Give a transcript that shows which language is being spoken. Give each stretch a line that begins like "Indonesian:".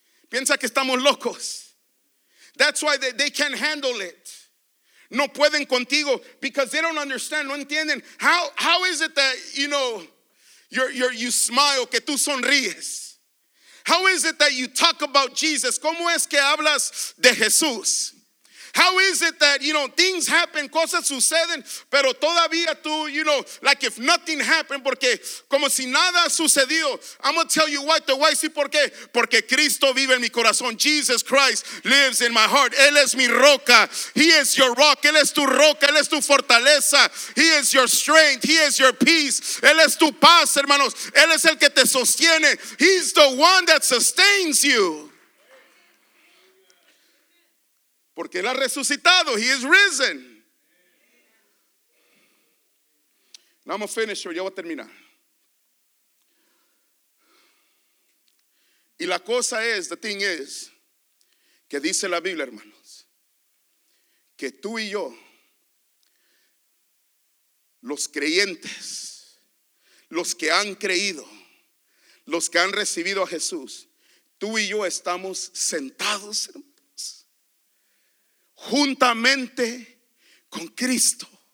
Spanish: Piensa que estamos locos.
English: That's why they can't handle it.
Spanish: No pueden contigo.
English: Because they don't understand.
Spanish: No entienden.
English: How is it that, you know, you smile,
Spanish: que tú sonríes?
English: How is it that you talk about Jesus?
Spanish: ¿Cómo es que hablas de Jesús?
English: How is it that, you know, things happen,
Spanish: cosas suceden, pero todavía tú,
English: you know, like if nothing happened,
Spanish: porque como si nada ha sucedido.
English: I'm going to tell you why.
Spanish: Te voy a decir por qué. Porque Cristo vive en mi corazón.
English: Jesus Christ lives in my heart.
Spanish: Él es mi roca.
English: He is your rock.
Spanish: Él es tu roca. Él es tu fortaleza.
English: He is your strength. He is your peace.
Spanish: Él es tu paz, hermanos. Él es el que te sostiene.
English: He's the one that sustains you.
Spanish: Porque Él ha resucitado.
English: He is risen. Now I'm a finisher.
Spanish: Ya voy a terminar. Y la cosa es,
English: the thing is,
Spanish: que dice la Biblia, hermanos, que tú y yo, los creyentes, los que han creído, los que han recibido a Jesús, tú y yo estamos sentados, hermanos, juntamente con Cristo.